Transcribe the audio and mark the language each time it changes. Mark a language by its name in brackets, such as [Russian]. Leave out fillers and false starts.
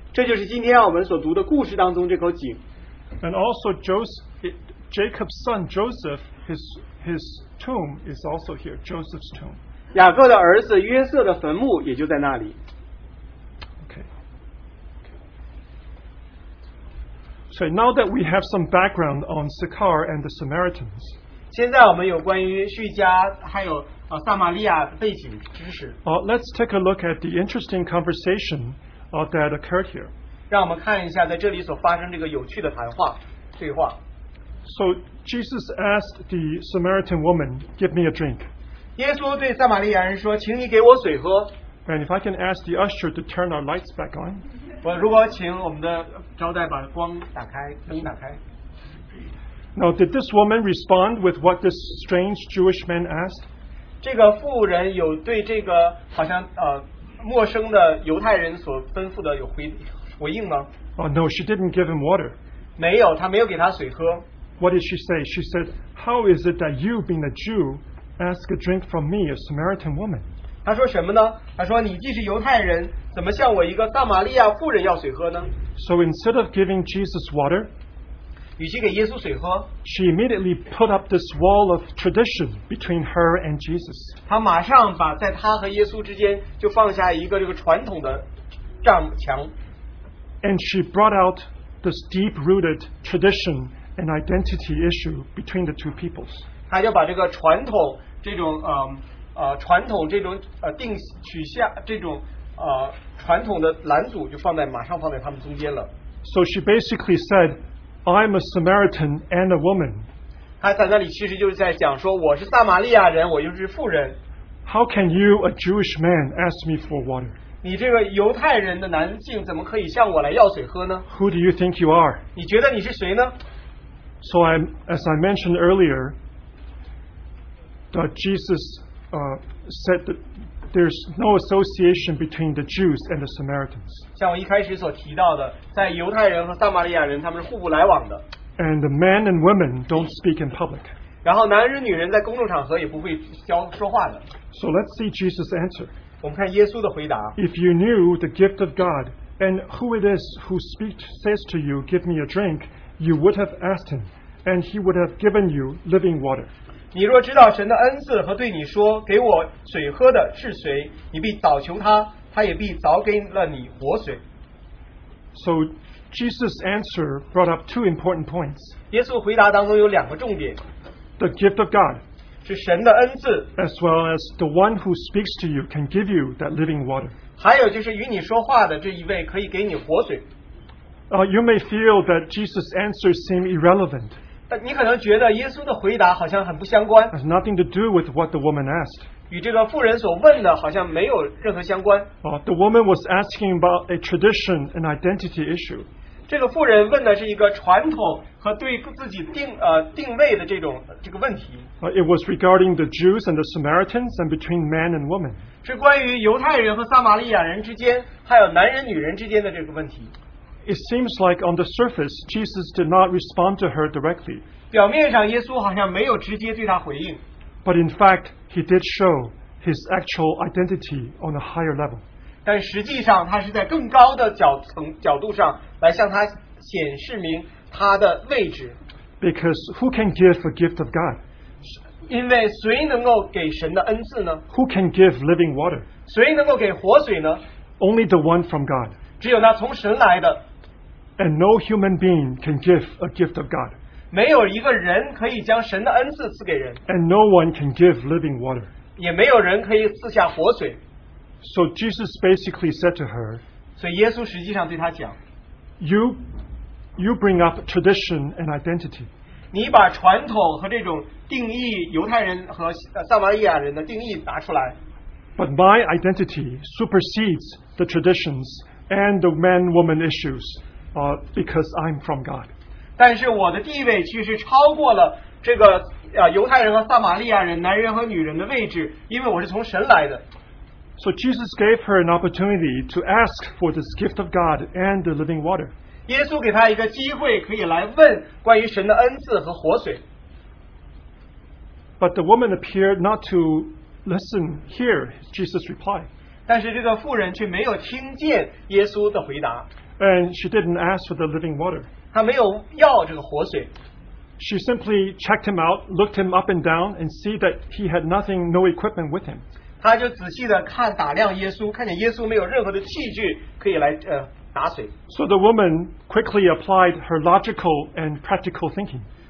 [Chinese] 这就是今天我们所读的故事当中这口井。 [English] And also Jacob's son Joseph, his tomb is also here, Joseph's tomb. [Chinese] 雅各的儿子约瑟的坟墓也就在那里。 [English] Okay. So now that we have some background on Sychar and the Samaritans, [Chinese] 现在我们有关于叙加还有撒玛利亚的背景知识。 [English] Let's take a look at the interesting conversation that occurred here. [Chinese] 让我们看一下在这里所发生这个有趣的谈话对话。 [English] So Jesus asked the Samaritan woman, "Give me a drink." [Chinese] 耶稣对撒玛利亚人说，请你给我水喝。 [English] And if I can ask the usher to turn our lights back on. [Chinese] 我如果请我们的招待把光打开，灯打开。 [English] Now, did this woman respond with what this strange Jewish man asked? [Chinese] 这个妇人有对这个好像陌生的犹太人所吩咐的有回应吗？ [English] No, she didn't give him water. [Chinese] 没有，她没有给他水喝。 [English] What did she say? She said, "How is it that you, being a Jew, ask a drink from me, a Samaritan woman?" [Chinese] 她说什么呢？她说，你既是犹太人，怎么向我一个撒玛利亚妇人要水喝呢？ [English] So instead of giving Jesus water, [Chinese] 与其给耶稣水喝， [English] she immediately put up this wall of tradition between her and Jesus. [Chinese] 她马上把在她和耶稣之间就放下一个这个传统的障墙。 [English] And she brought out this deep-rooted tradition and identity issue between the two peoples. [Chinese] 她就把这个传统这种传统这种定取下这种传统的拦阻就放在马上放在他们中间了。 [English] So she basically said, "I'm a Samaritan and a woman." [Chinese] 她在那里其实就是在讲说，我是撒玛利亚人，我又是妇人。 [English] How can you, a Jewish man, ask me for water? [Chinese] 你这个犹太人的男性怎么可以向我来要水喝呢？ [English] Who do you think you are? [Chinese] 你觉得你是谁呢？ [English] So as I mentioned earlier, that Jesus said that there's no association between the Jews and the Samaritans. [Chinese] 像我一开始所提到的，在犹太人和撒玛利亚人，他们是互不来往的。 [English] And the men and women don't speak in public. [Chinese] 然后男人女人在公众场合也不会说话的。 [English] So let's see Jesus' answer. [Chinese] 我们看耶稣的回答。 [English] If you knew the gift of God and who it is who says to you, "Give me a drink," you would have asked him, and he would have given you living water. [Chinese] 你若知道神的恩赐和对你说给我水喝的是谁，你必早求他，他也必早给了你活水。 [English] So Jesus' answer brought up two important points. [Chinese] 耶稣回答当中有两个重点。 [English] The gift of God [Chinese] 是神的恩赐， [English] as well as the one who speaks to you can give you that living water. [Chinese] 还有就是与你说话的这一位可以给你活水。 [English] You may feel that Jesus' answer seemed irrelevant. [Chinese] 你可能觉得耶稣的回答好像很不相关， [English] has nothing to do with what the woman asked. [Chinese] 与这个妇人所问的好像没有任何相关。 [English] The woman was asking about a tradition, an identity issue. [Chinese] 这个妇人问的是一个传统和对自己定位的这个问题。 [English] It was regarding the Jews and the Samaritans and between man and woman. [Chinese] 是关于犹太人和撒玛利亚人之间还有男人女人之间的这个问题。 [English] It seems like on the surface, Jesus did not respond to her directly. [Chinese] 表面上耶稣好像没有直接对她回应。 [English] But in fact, he did show his actual identity on a higher level. [Chinese] 但实际上他是在更高的角度上来向她显示明他的位置。 [English] Because who can give a gift of God? [Chinese] 因为谁能够给神的恩赐呢？ [English] Who can give living water? [Chinese] 谁能够给活水呢？ [English] Only the one from God. [Chinese] 只有那从神来的。 [English] And no human being can give a gift of God. [Chinese] 没有一个人可以将神的恩赐赐给人。 [English] And no one can give living water. [Chinese] 也没有人可以赐下活水。 [English] So Jesus basically said to her, [Chinese] 所以耶稣实际上对他讲， [English] You bring up tradition and identity. [Chinese] 你把传统和这种定义，犹太人和撒玛利亚人的定义拿出来。 [English] But my identity supersedes the traditions and the man-woman issues. Because I'm from God. [Chinese] 但是我的地位其实超过了这个犹太人和撒玛利亚人男人和女人的位置，因为我是从神来的。 [English] So Jesus gave her an opportunity to ask for this gift of God and the living water. [Chinese] 耶稣给她一个机会可以来问关于神的恩赐和活水。 [English] But the woman appeared not to listen hear Jesus' reply. [Chinese] 但是这个妇人却没有听见耶稣的回答。 [English] And she didn't ask for the living water. [Chinese] 她没有要这个活水。 [English] She simply checked him out, looked him up and down, and see that he had nothing, no equipment with him. [Chinese] 她就仔细地看打量耶稣，看见耶稣没有任何的器具可以来打水。 [English] So the woman quickly applied her logical and practical thinking.